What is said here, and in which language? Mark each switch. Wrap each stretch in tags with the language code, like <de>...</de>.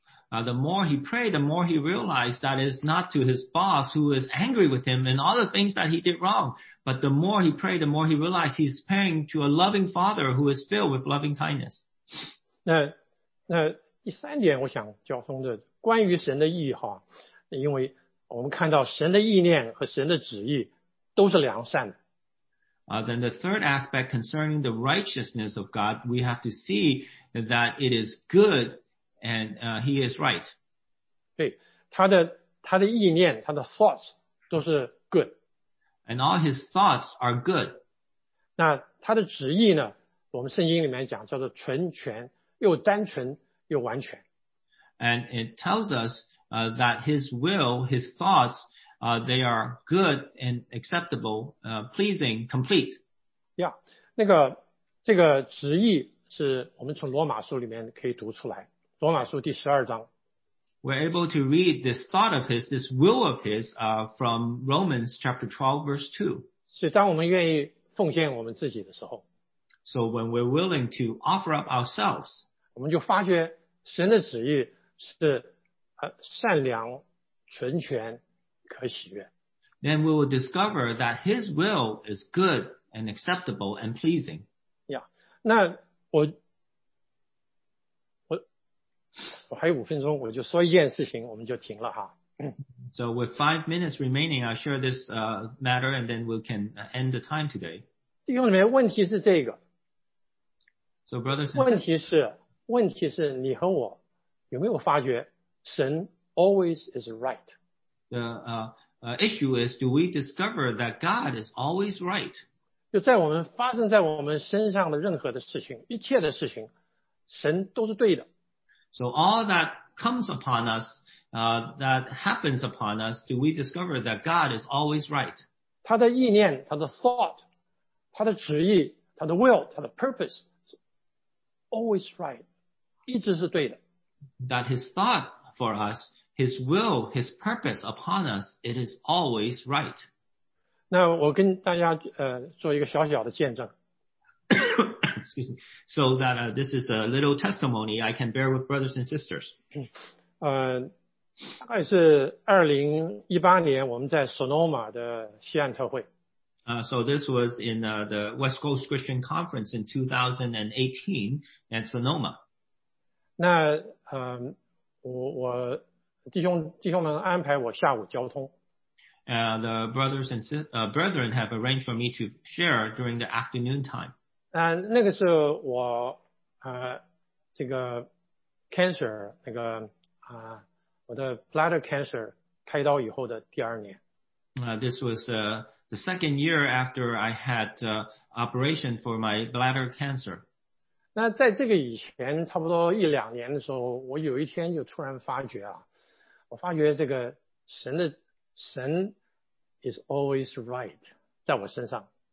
<en>The more he prayed, the more he realized that it's not to his boss who is angry with him and all the things that he did wrong. But the more he prayed, the more he realized he's praying to a loving father who is filled with loving kindness.</en> <zh>那第三点我想交通的关于神的意哈，因为我们看到神的意念和神的旨意都是良善的。</zh> <en>Then the third aspect concerning the righteousness of God, we have to see that it is good. And he is right.</en> <zh>对，他的意念，他的 thoughts 都是 good.</zh> <en>And all his thoughts are good.</en> <zh>那他的旨意呢？我们圣经里面讲叫做纯全，又单纯又完全。</zh> <en>And it tells us that his will, his thoughts, they are good and acceptable, pleasing, complete.</en> <zh>Yeah, 那个这个旨意是我们从罗马书里面可以读出来。罗马书第十二章。</zh> <en>We're able to read this thought of his, this will of his, from Romans chapter 12, verse 2.</en> <zh>所以当我们愿意奉献我们自己的时候，</zh> <en>So when we're willing to offer up ourselves,</en> <zh>我们就发觉神的旨意是善良、纯全、可喜悦。</zh> <en>Then we will discover that his will is good and acceptable and pleasing.</en> <zh>Yeah, 那我还有五分钟，我就说一件事情，我们就停了哈。</zh> <en>So with 5 minutes remaining, I'll share this matter and then we can end the time today.</en> <zh>弟兄姐妹，问题是这个。</zh> <en>So brothers,</en> <zh>问题是你和我有没有发觉神</zh> <en>always is right? The issue is, do we discover that God is always right?</en> <zh>就在我们发生在我们身上的任何的事情，一切的事情，神都是对的。</zh> <en>So all that comes upon us, that happens upon us, do we discover that God is always right?</en> <zh>他的意念，他的 thought, 他的旨意，他的 will, 他的 purpose,</zh> <en>always right,</en> <zh>一直是对的。</zh> <en>That his thought for us, his will, his purpose upon us, it is always right.</en> <zh>那我跟大家做一个小小的见证。</zh> <en>Excuse me. So that this is a little testimony I can bear with brothers and sisters.</en> <zh>大概是2018年我们在 Sonoma 的西岸特会。</zh> <en>So this was in the West Coast Christian Conference in 2018 at Sonoma.</en> <zh>那我弟兄们安排我下午交通。</zh> <en>The brothers and brethren have arranged for me to share during the afternoon time.</en> <zh>那个是我这个 cancer 那个我的 bladder cancer 开刀以后的第二年。</zh> <en>This was the second year after I had operation for my bladder cancer.</en> <zh>那在这个以前差不多一两年的时候，我有一天就突然发觉啊，我发觉这个神</zh> <en>is always right</en> <zh>在我身上。</zh>